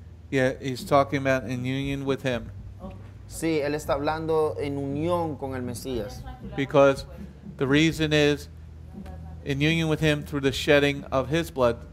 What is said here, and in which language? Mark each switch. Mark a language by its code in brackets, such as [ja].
[en] Yeah, he's talking about in union with him. [es] Sí, él está hablando en unión con el Mesías. [en] Because the reason is in union with him through the shedding of his blood.